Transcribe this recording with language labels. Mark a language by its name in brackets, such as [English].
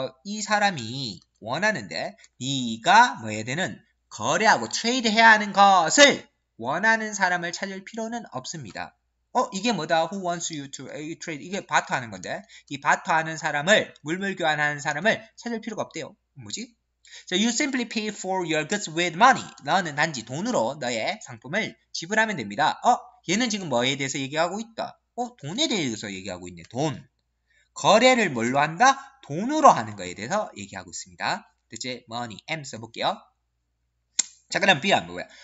[Korean] 이 사람이 원하는데, 네가 뭐 해야 되는? 거래하고 트레이드 해야 하는 것을 원하는 사람을 찾을 필요는 없습니다. 이게 뭐다? [English] Who wants you to trade? [Korean] 이게 바터 하는 건데. 이 바터 하는 사람을, 물물 교환하는 사람을 찾을 필요가 없대요. 뭐지? [English] So you simply pay for your goods with money. [Korean] 너는 단지 돈으로 너의 상품을 지불하면 됩니다. 얘는 지금 뭐에 대해서 얘기하고 있다? 돈에 대해서 얘기하고 있네. 돈. 거래를 뭘로 한다? 돈으로 하는 거에 대해서 얘기하고 있습니다. 대체 money, M 써볼게요. 자, 그럼 B야, 뭐야?